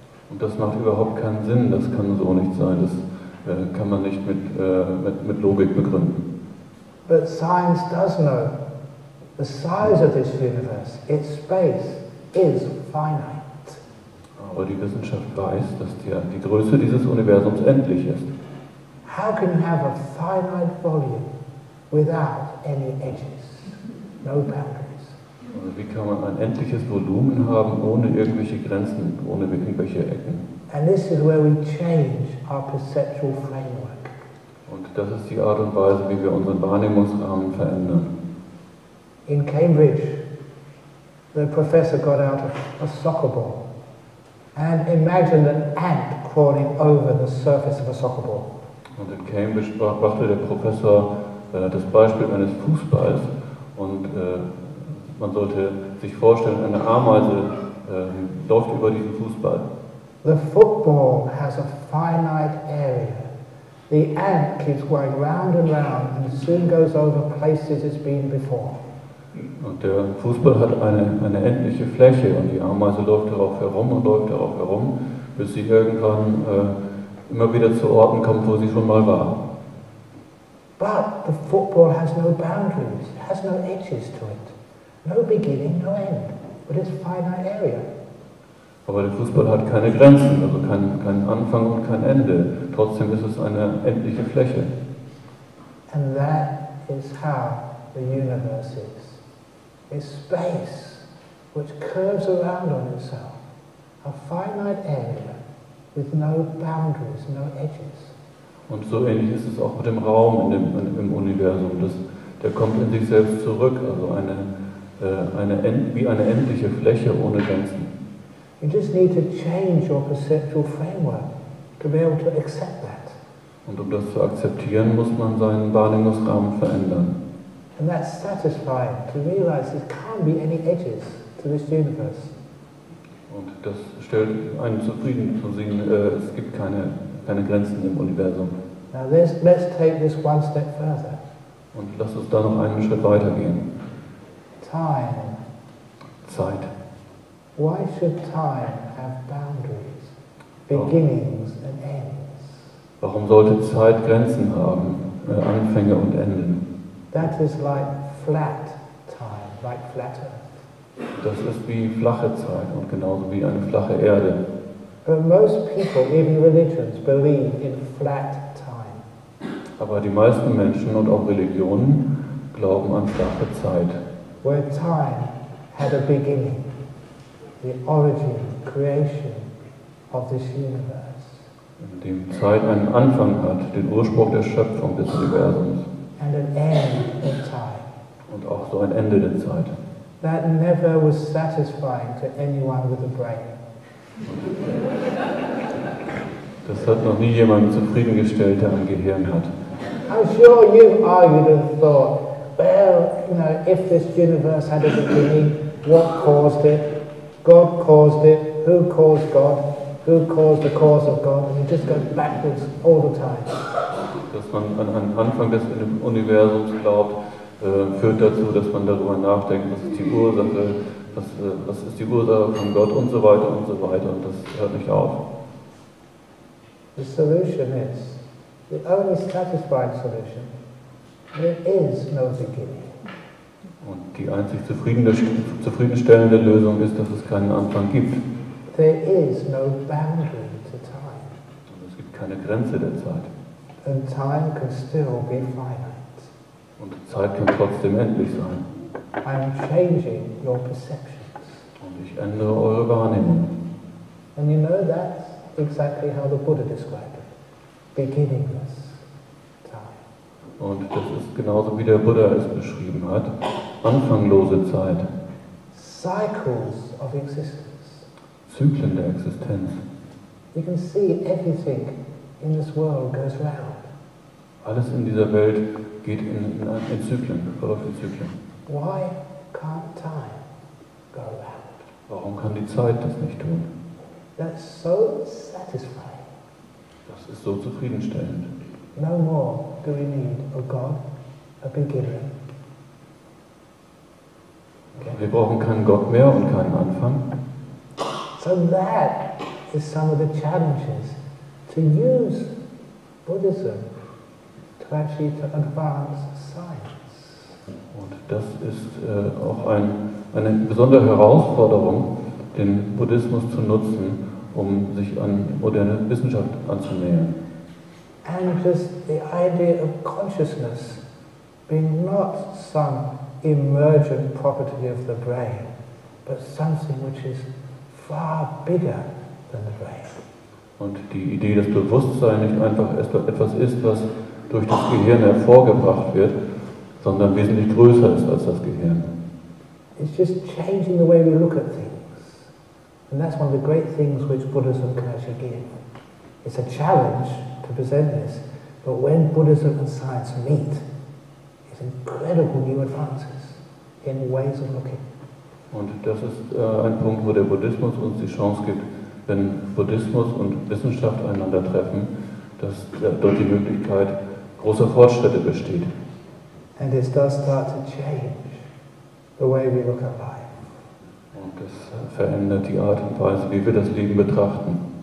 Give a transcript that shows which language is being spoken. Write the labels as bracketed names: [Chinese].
[German] Und das macht überhaupt keinen Sinn, das kann so nicht sein, das kann man nicht mit Logik begründen. [English] But science does know the size of this universe, its space, is finite. [German] Aber die Wissenschaft weiß, dass die Größe dieses Universums endlich ist. [English] How can you have a finite volume without any edges, no boundaries? [German] Also wie kann man ein endliches Volumen haben ohne irgendwelche Grenzen, ohne irgendwelche Ecken? [English] And this is where we change our perceptual framework. [German] Und das ist die Art und Weise, wie wir unseren Wahrnehmungsrahmen verändern. [English] In Cambridge, the professor got out a soccer ball and imagined an ant crawling over the surface of a soccer ball. [German] Und in Cambridge brachte der Professor das Beispiel eines Fußballs und man sollte sich vorstellen, eine Ameise läuft über diesen Fußball. [English] The football has a finite area. The ant keeps going round and round and soon goes over places it's been before. [German] Und der Fußball hat eine endliche Fläche und die Ameise läuft darauf herum und läuft darauf herum, bis sie irgendwann immer wieder zu Orten kommt, wo sie schon mal war. [English] But the football has no boundaries, has no edges to it. No beginning, no end, but it's finite area. [German] Aber der Fußball hat keine Grenzen, also kein Anfang und kein Ende. Trotzdem ist es eine endliche Fläche. [English] And that is how the universe is. A space which curves around on itself. A finite area with no boundaries, no edges. [German] Und so ähnlich ist es auch mit dem Raum im Universum. Der kommt in sich selbst zurück, also eine endliche Fläche ohne Grenzen. [English] You just need to change your perceptual framework to be able to accept that. [German] Und um das zu akzeptieren, muss man seinen Wahrnehmungsrahmen verändern. [English] And that's satisfying to realize there can't be any edges to this universe. [German] Und das stellt einen zufrieden zu sehen, es gibt keine Grenzen im Universum. [English] Now let's take this one step further. [German] Und lass uns da noch einen Schritt weitergehen. [English] Time. [German] Zeit. [English] Why should time have boundaries, beginnings and ends? [German] Warum sollte Zeit Grenzen haben, Anfänge und Enden? [English] That is like flat time, like flat earth. [German] Das ist wie flache Zeit und genauso wie eine flache Erde. [English] But most people, even religions, believe in flat time. [German] Aber die meisten Menschen und auch Religionen glauben an flache Zeit. [English] Where time had a beginning. The origin, creation of this universe. [German] In dem Zeit einen Anfang hat, den Ursprung der Schöpfung des Universums. [English] And an end of time. [German] Und auch so ein Ende der Zeit. [English] That never was satisfying to anyone with a brain. [German] Das hat noch nie jemanden zufriedengestellt, der ein Gehirn hat. [English] I'm sure you've argued and thought, well, you know, if this universe had a beginning, what caused it? God caused it. Who caused God? Who caused the cause of God? And you just go backwards all the time. [German] Dass man an den Anfang des Universums glaubt, führt dazu, dass man darüber nachdenkt, was ist die Ursache, was ist die Ursache von Gott und so weiter und so weiter. Und das hört nicht auf. [English] The solution is the only satisfying solution. There is no beginning. [German] Und die einzig zufriedenstellende Lösung ist, dass es keinen Anfang gibt. [English] There is no boundary to time. [German] Und es gibt keine Grenze der Zeit. [English] And time can still be finite. [German] Und Zeit kann trotzdem endlich sein. [English] I'm changing your perceptions. [German] Und ich ändere eure Wahrnehmung. [English] And you know that's exactly how the Buddha described it. Beginningless. [German] Und das ist genauso, wie der Buddha es beschrieben hat. Anfanglose Zeit. [English] Cycles of existence. [German] Zyklen der Existenz. [English] We can see everything in this world goes round. [German] Alles in dieser Welt geht in Zyklen, verläuft in Zyklen. [English] Why can't time go round? [German] Warum kann die Zeit das nicht tun? [English] That's so satisfying. [German] Das ist so zufriedenstellend. [English] No more do we need a God, a beginning. Okay. [German] Wir brauchen keinen Gott mehr und keinen Anfang. [English] So that is some of the challenges to use Buddhism to actually to advance science. [German] Und das ist auch eine besondere Herausforderung, den Buddhismus zu nutzen, um sich an moderne Wissenschaft anzunähern. [English] And just the idea of consciousness being not some emergent property of the brain, but something which is far bigger than the brain. [German] Und die Idee, dass Bewusstsein nicht einfach etwas ist, was durch das Gehirn hervorgebracht wird, sondern wesentlich größer ist als das Gehirn. [English] It's just changing the way we look at things. And that's one of the great things which Buddhism can actually give. It's a challenge to present this, but when Buddhism and science meet, it's incredible new advances in ways of looking. [German] Und das ist ein Punkt, wo der Buddhismus uns die Chance gibt, wenn Buddhismus und Wissenschaft einander treffen, dass dort die Möglichkeit großer Fortschritte besteht. [English] And it does start to change the way we look at life. [German] Und das verändert die Art und Weise, wie wir das Leben betrachten.